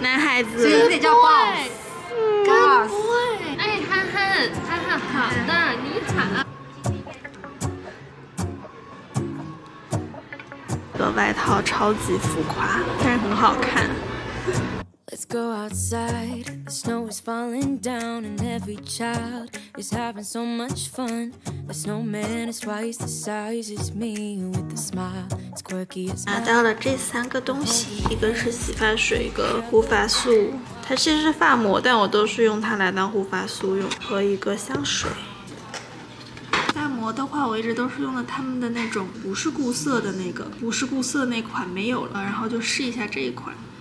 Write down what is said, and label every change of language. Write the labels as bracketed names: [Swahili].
[Chinese] 男孩子。有点叫 boss。干不会。哎，憨憨，憨憨，好的，你惨了。这外套超级浮夸，但是很好看。 [English] Let's go outside. The snow is falling down, and every child is having so much fun. The snowman is twice the size as me, with a smile as quirky as mine. [Chinese] 拿到了这三个东西，一个是洗发水，一个护发素。它其实是发膜，但我都是用它来当护发素用，和一个香水。发膜的话，我一直都是用的他们的那种不是固色的那个，不是固色那款没有了，然后就试一下这一款。